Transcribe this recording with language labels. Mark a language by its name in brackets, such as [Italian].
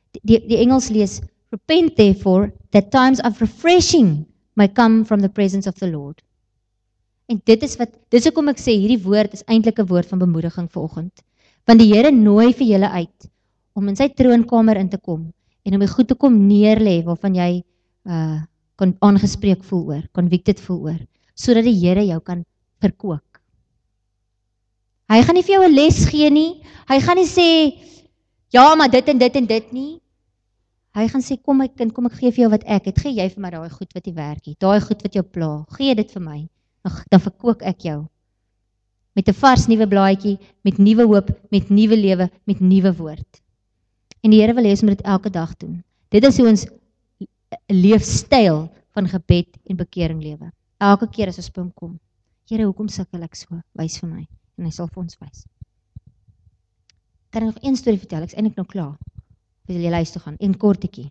[Afrikaans] Die Engels lees: [English] "Repent therefore that times of refreshing may come from the presence of the Lord." [Afrikaans] En dis hoekom ek sê hierdie woord is eintlik 'n woord van bemoediging vir oggend. Want die Here nooi vir julle uit om in sy troonkamer in te kom en om die goed te kom neerlê waarvan jy kon aangespreek voel oor, convicted voel oor, sodat die Here jou kan verkoop. Hy gaan nie vir jou 'n les gee nie. Hy gaan nie sê ja, maar dit en dit en dit nie. Hy gaan sê kom my kind, kom ek gee vir jou wat ek het. Gee jy vir my daai goed wat jy werk het, daai goed wat jou pla. Gee dit vir my. Dan verkoop ek jou. Met 'n vars nuwe blaadjie, met nuwe hoop, met nuwe lewe, met nuwe woord. En die Here wil hê ons moet dit elke dag doen. Dit is hoe ons leefstyl van gebed en bekering lewe. Elke keer as ons by hom kom. Here, hoekom sukkel ek so? Wys vir my en hy sal vir ons wys. Kan ek nog een storie vertel? Ek is eintlik nou klaar. Vir julle huis toe gaan, een kortetjie.